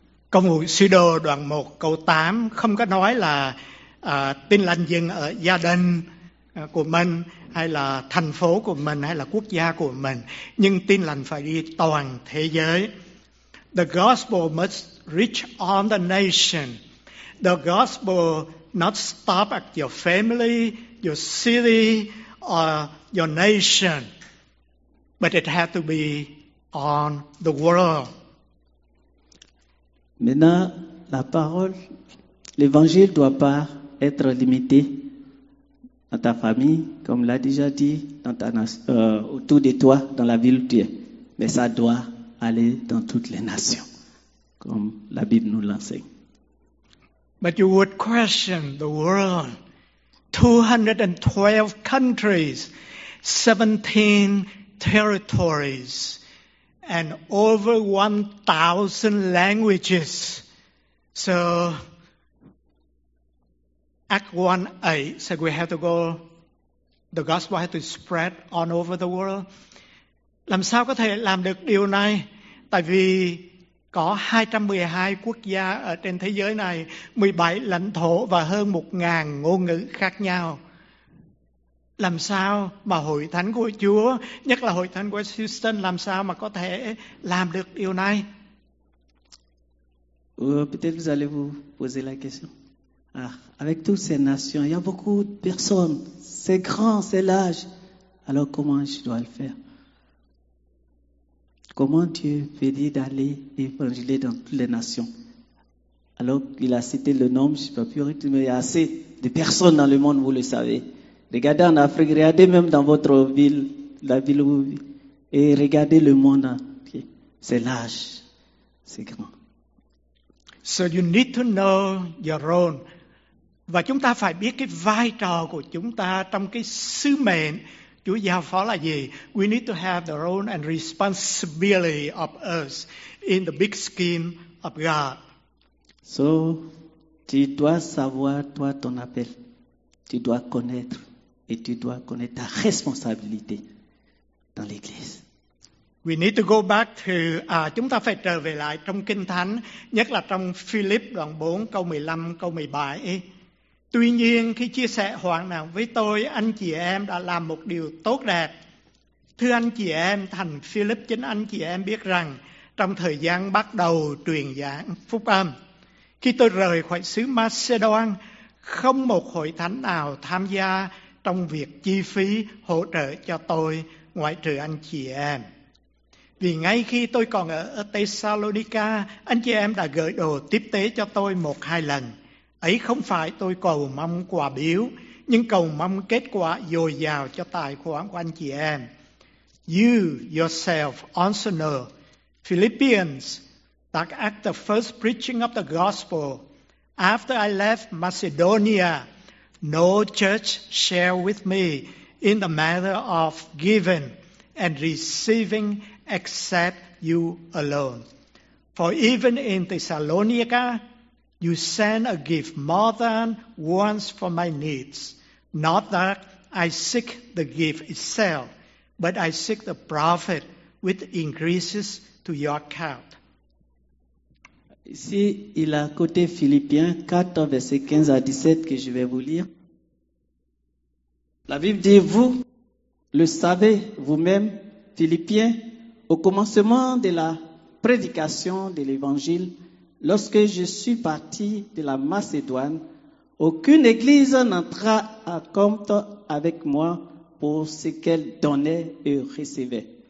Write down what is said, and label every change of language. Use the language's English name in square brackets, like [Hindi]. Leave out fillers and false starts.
[Vietnamese] Công vụ sứ đồ đoạn 1 câu 8 không có nói là Tin Lành dừng ở gia đình của mình hay là thành phố của mình hay là quốc gia của mình, nhưng Tin Lành phải đi toàn thế giới. [English] The gospel must reach all the nation. The gospel not stop at your family, your city or your nation, but it has to be on the world. [French] Maintenant, la parole, l'évangile ne doit pas être limité dans ta famille, comme l'a déjà dit, dans ta, autour de toi, dans la ville où tu es. Mais ça doit aller dans toutes les nations, comme la Bible nous l'enseigne. [English] But you would question the world. 212 countries, 17 territories, and over 1,000 languages. So, Act 1-8 said we have to go, the gospel has to spread all over the world. [Vietnamese] Làm sao có thể làm được điều này? Tại vì có 212 quốc gia ở trên thế giới này, 17 lãnh thổ và hơn 1,000 ngôn ngữ khác nhau. Làm sao mà hội thánh của Chúa, nhất là hội thánh của Houston, làm sao mà có thể làm được điều này? [French] Peut-être vous allez vous poser la question. Ah, avec toutes ces nations, il y a beaucoup de personnes. C'est grand, c'est large. Alors comment je dois le faire? Comment Dieu veut dire d'aller évangéliser dans toutes les nations? Alors il a cité le nombre, je ne sais pas plus, mais il y a assez de personnes dans le monde, vous le savez. Regardez en Afrique, regardez même dans votre ville, la ville où vous vivez, et regardez le monde entier. C'est large, c'est grand. [English] So you need to know your role. [Vietnamese] Và chúng ta phải biết cái vai trò của chúng ta trong cái sứ mệnh Chúa giao phó là gì. [English] We need to have the role and responsibility of us in the big scheme of God. [French] So, tu dois savoir toi ton appel. Tu dois connaître et tu dois connaître ta responsabilité dans l'Église. [English] We need to go back to, [Vietnamese] chúng ta phải trở về lại trong Kinh Thánh, nhất là trong Philip đoạn 4, câu 15, câu 17. Tuy nhiên, khi chia sẻ hoàn nào với tôi, anh chị em đã làm một điều tốt đẹp. Thưa anh chị em, thành Philip, chính anh chị em biết rằng, trong thời gian bắt đầu truyền giảng phúc âm, khi tôi rời khỏi xứ Macedon, không một hội thánh nào tham gia trong việc chi phí hỗ trợ cho tôi, ngoại trừ anh chị em. Vì ngay khi tôi còn ở Thessalonica, anh chị em đã gửi đồ tiếp tế cho tôi một hai lần. Ấy không phải tôi cầu mong quà biếu, nhưng cầu mong kết quả dồi dào cho tài khoản của anh chị em. [English] You yourself also know, Philippians, that at the first preaching of the gospel, after I left Macedonia, no church shared with me in the matter of giving and receiving except you alone. For even in Thessalonica, you send a gift more than once for my needs. Not that I seek the gift itself, but I seek the profit which increases to your account. [French] Ici, il a côté Philippiens 4, verset 15 à 17 que je vais vous lire. La Bible dit, vous le savez vous-même, Philippiens, au commencement de la prédication de l'Évangile, lorsque je suis parti de la Macédoine, aucune église n'entra en compte avec moi pour ce qu'elle donnait et recevait.